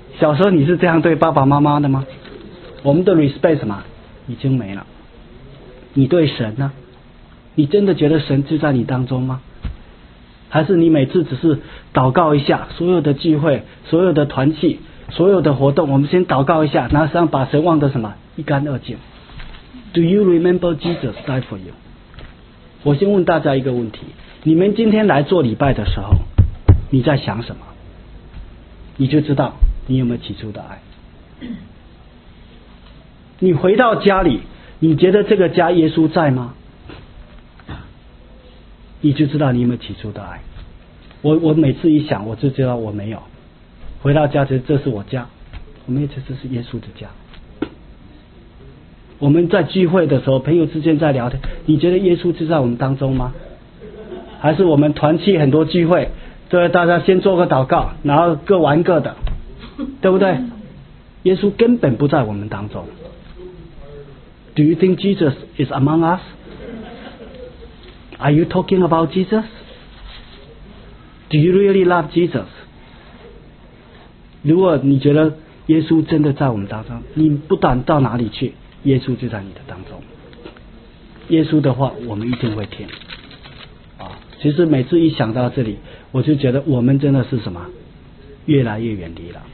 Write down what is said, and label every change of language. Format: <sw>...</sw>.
<zh>小时候你是这样对爸爸妈妈的吗？我们的 respect 什么已经没了。你对神呢，你真的觉得神就在你当中吗？还是你每次只是祷告一下，所有的聚会所有的团契所有的活动我们先祷告一下，那实际上把神忘得什么一干二净。</zh> <en>Do you remember Jesus died for you?</en> <zh>我先问大家一个问题，你们今天来做礼拜的时候你在想什么，你就知道你有没有起初的爱。你回到家里你觉得这个家耶稣在吗？你就知道你有没有起初的爱。我每次一想我就知道我没有，回到家其实这是我家，我们也觉得这是耶稣的家。我们在聚会的时候朋友之间在聊天，你觉得耶稣就在我们当中吗？还是我们团契很多聚会，对，大家先做个祷告然后各玩各的，对不对？耶稣根本不在我们当中。</zh> <en>Do you think Jesus is among us? Are you talking about Jesus? Do you really love Jesus?</en> <zh>如果你觉得耶稣真的在我们当中，你不管到哪里去耶稣就在你的当中，耶稣的话我们一定会听啊。其实每次一想到这里我就觉得我们真的是什么越来越远离了。</zh>